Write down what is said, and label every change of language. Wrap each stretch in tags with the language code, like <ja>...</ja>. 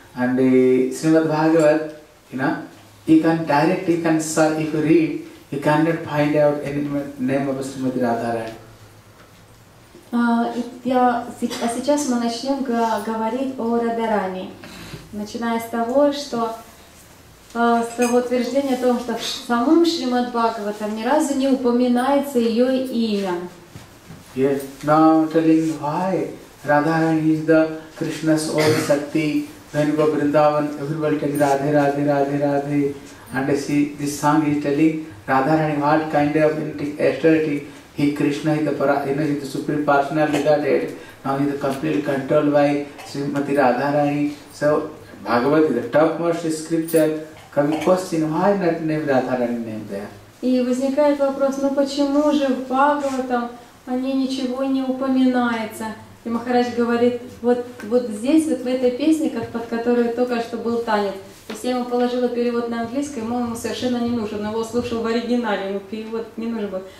<en>And Srimad Bhagavat, you know, you can directly, you can search, if you read, you cannot find out any name of Srimad Radha Hari.</en> <ru>А сейчас мы начнем говорить о Радхарани, начиная с того, что с того утверждения о том, что в самом Шримад Бхагаватам ни разу не упоминается ее имя.</ru> <en>Yes, now telling why Radharani is the Krishna's own Sakti. When you go Vrindavan, everybody tells Radhe, Radhe, Radhe, Radhe. And see, this song is telling Radharani what kind of authority. He Krishna is the supreme personality Godhead. Now he is completely controlled by Srimati Radharani. So Bhagavad is the topmost scripture. Come question, why not name Radharani name there?</en> <ru>И возникает вопрос, ну почему же в Бхагаватам о ней ничего не упоминается? И Махарадж говорит, вот здесь, вот в этой песне, как под которой только что был танец. То есть я ему положила перевод на английский, ему он совершенно не нужен, но его слушал в оригинале, ему перевод не нужен был.</ru>